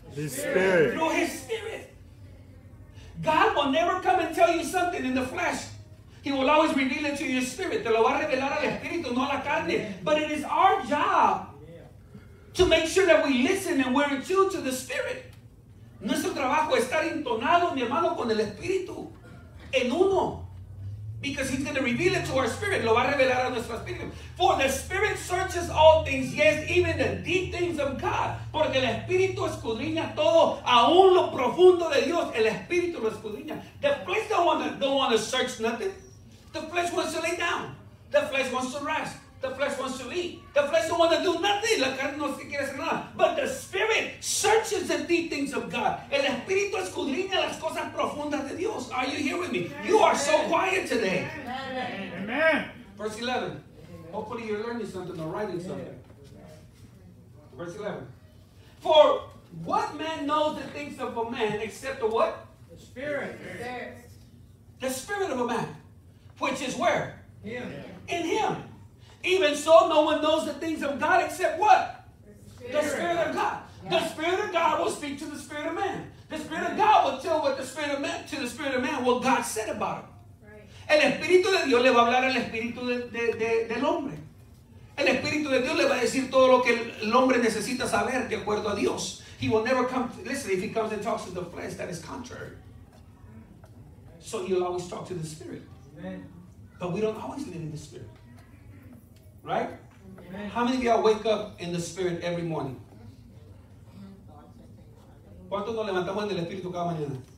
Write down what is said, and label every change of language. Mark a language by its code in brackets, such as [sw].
[en] His Spirit. Through His Spirit. God will never come and tell you something in the flesh. He will always reveal it to your spirit. [es] Te lo va a revelar al espíritu, no a la carne. [en] But it is our job to make sure that we listen and we're in tune to the Spirit. [es] Nuestro trabajo es estar entonado, mi hermano, con el espíritu. En uno. [en] Because He's going to reveal it to our spirit. [es] Lo va a revelar a nuestro espíritu. [en] For the Spirit searches all things, yes, even the deep things of God. [es] Porque el espíritu escudriña todo, aún lo profundo de Dios. El espíritu lo escudriña. [en] The flesh don't want to search nothing. The flesh wants to lay down. The flesh wants to rest. The flesh wants to eat. The flesh don't want to do nothing. [es] La carne no se quiere hacer nada. [en] But the Spirit searches the deep things of God. [es] El Espíritu escudriña las cosas profundas de Dios. [en] Are you here with me? Amen. You are so quiet today. Amen. Verse 11. Hopefully you're learning something or writing something. Verse 11. For what man knows the things of a man except the what? The Spirit. The Spirit of a man. Which is where? Him. In Him. Even so, no one knows the things of God except what? The Spirit of God. Yeah. The Spirit of God will speak to the Spirit of man. The Spirit of God will tell what the Spirit of man, to the Spirit of man, what God said about him. Right. [es] El Espíritu de Dios le va a hablar al Espíritu del hombre. El Espíritu de Dios le va a decir todo lo que el hombre necesita saber de acuerdo a Dios. [en] He will never come, listen, if he comes and talks to the flesh, that is contrary. So he'll always talk to the Spirit. Amen. But we don't always live in the Spirit. Right? Amen. How many of y'all wake up in the Spirit every morning? [es] ¿Cuántos nos levantamos en el Espíritu cada mañana?